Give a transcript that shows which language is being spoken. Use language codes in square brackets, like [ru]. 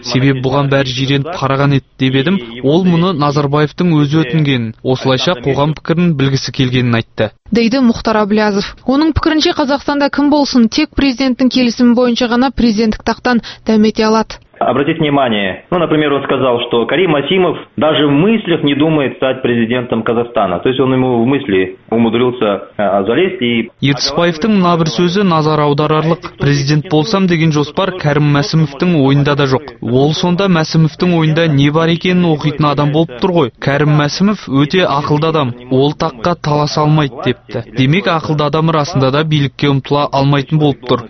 [kk] Себеп бұған бәрі жиреніп қараған еді деп едім. Ол мұны Назарбаевтың өзі өтінген, осылайша қоғам пікірін білгісі келгенін айтты. Дейді Мұхтар Абылязов. Оның пікірінше Қазақстанда кім болсын, тек президенттің келісімі бойынша ғана президенттік тақтан дәмете алады. [ru] Обратите внимание. Например, он сказал, что Карим Асимов даже в мыслях не думает стать президентом Казахстана. То есть он ему в мысли умудрился залезть и [kk] Ертісбаевтың мына бір сөзі назар аударарлық. Президент болсам деген жоспар Кәрім Мәсімовтің ойында да жоқ. Ол сонда Мәсімовтің ойында не бар екенін оқитын адам болып тұр ғой. Кәрім Мәсімов өте ақылды адам. Ол таққа таласа алмайды депті. Демек ақылды адам арасында да билікке ұмтыла алмайтын болып тұр.